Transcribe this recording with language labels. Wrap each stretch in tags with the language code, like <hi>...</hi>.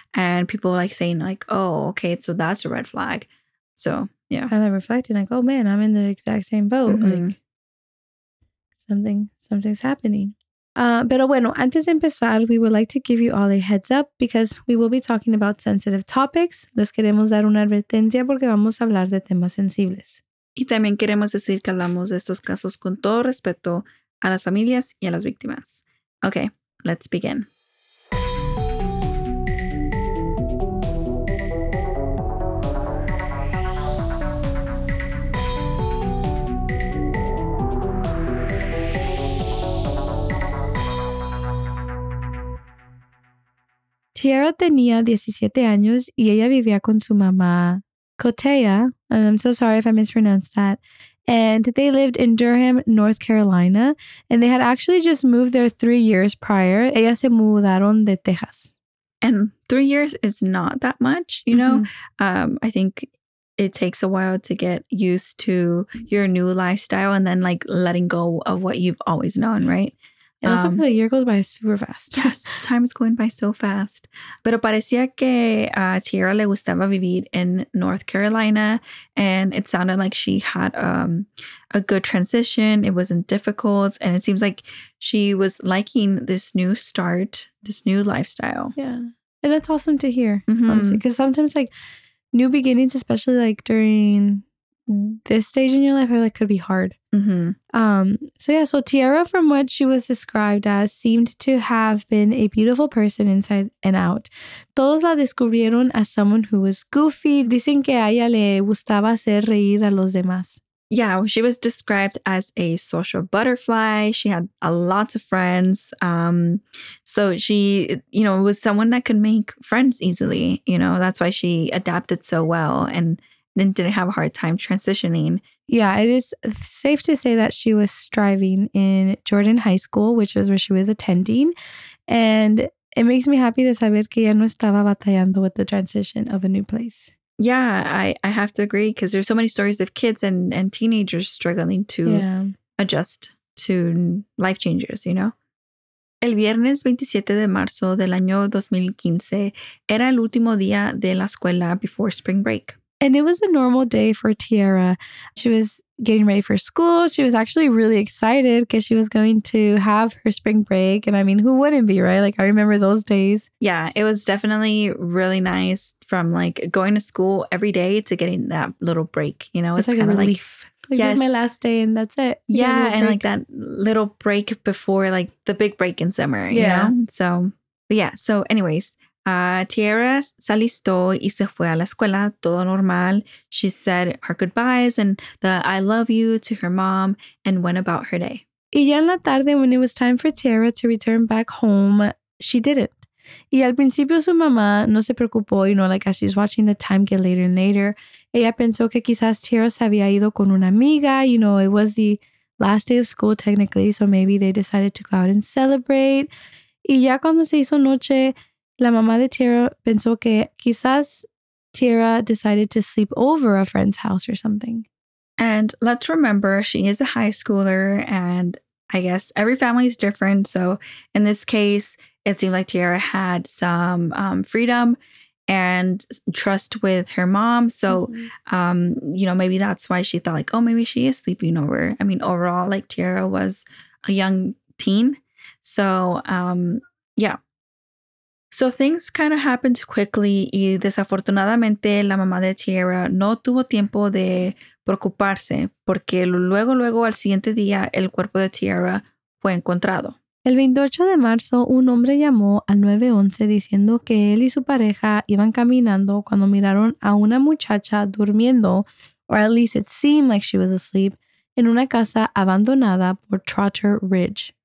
<en>And people like saying like, oh, okay, so that's a red flag. So, yeah. Kind of reflecting like, oh man, I'm in the exact same boat. Mm-hmm. Like, something's happening.</en> <es>Pero bueno, antes de empezar,</es> <en>we would like to give you all a heads up because we will be talking about sensitive topics.</en> <es>Les queremos dar una advertencia porque vamos a hablar de temas sensibles. Y también queremos decir que hablamos de estos casos con todo respeto a las familias y a las víctimas.</es> <en>Okay, let's begin.</en> <es>Tierra tenía 17 años y ella vivía con su mamá,</es> <en>Cotea, and I'm so sorry if I mispronounced that, and they lived in Durham, North Carolina, and they had actually just moved there 3 years prior.</en> <es>Ellas se mudaron de Texas.</es> <en>And 3 years is not that much, you know? Mm-hmm. I think it takes a while to get used to your new lifestyle and then, like, letting go of what you've always known, right? It also because a year goes by super fast. Yes, time is going by so fast.</en> <es>Pero parecía que a Tierra le gustaba vivir en North Carolina.</es> <en>And it sounded like she had a good transition. It wasn't difficult. And it seems like she was liking this new start, this new lifestyle. Yeah. And that's awesome to hear. Mm-hmm. Honestly, because sometimes, like, new beginnings, especially, like, during this stage in your life, I feel like could be hard. Mm-hmm. So Tierra, from what she was described as, seemed to have been a beautiful person inside and out.</en> <es>Todos la descubrieron</es> <en>as someone who was goofy.</en> <es>Dicen que a ella le gustaba hacer reír a los demás.</es> <en>Yeah, she was described as a social butterfly. She had a lots of friends. So she, you know, was someone that could make friends easily. You know, that's why she adapted so well and didn't have a hard time transitioning. Yeah, it is safe to say that she was striving in Jordan High School, which was where she was attending. And it makes me happy to</en> <es>saber que ya no estaba batallando</es> <en>with the transition of a new place. Yeah, I have to agree because there's so many stories of kids and teenagers struggling to adjust to life changes, you know?</en> <es>El viernes 27 de marzo del año 2015 era el último día de la escuela</es> <en>before spring break. And it was a normal day for Tierra. She was getting ready for school. She was actually really excited because she was going to have her spring break. And I mean, who wouldn't be, right? Like, I remember those days. Yeah, it was definitely really nice from, like, going to school every day to getting that little break, you know? It's like a relief. Like, yes. This is my last day and that's it. Yeah, and like that little break before, like, the big break in summer, you know? So, yeah. So, anyways,</en> <es>Tierra se alistó y se fue a la escuela, todo normal.</es> <en>She said her goodbyes and the I love you to her mom and went about her day.</en> <es>Y ya en la tarde,</es> <en>when it was time for Tierra to return back home, she didn't.</en> <es>Y al principio su mamá no se preocupó,</es> <en>you know, like as she's watching the time get later and later.</en> <es>Ella pensó que quizás Tierra se había ido con una amiga,</es> <en>you know, it was the last day of school technically, so maybe they decided to go out and celebrate.</en> <es>Y ya cuando se hizo noche, la mamá de Tierra pensó que quizás Tierra</es> <en>decided to sleep over a friend's house or something. And let's remember, she is a high schooler and I guess every family is different. So in this case, it seemed like Tierra had some freedom and trust with her mom. So, you know, maybe that's why she thought like, oh, maybe she is sleeping over. I mean, overall, like Tierra was a young teen. So, yeah. So things kind of happened quickly</en> <es>y desafortunadamente la mamá de Tierra no tuvo tiempo de preocuparse porque luego al siguiente día el cuerpo de Tierra fue encontrado. El 28 de marzo un hombre llamó al 911 diciendo que él y su pareja iban caminando cuando miraron a una muchacha durmiendo,</es> <en>or at least it seemed like she was asleep,</en> <es>en una casa abandonada por Trotter Ridge.</es>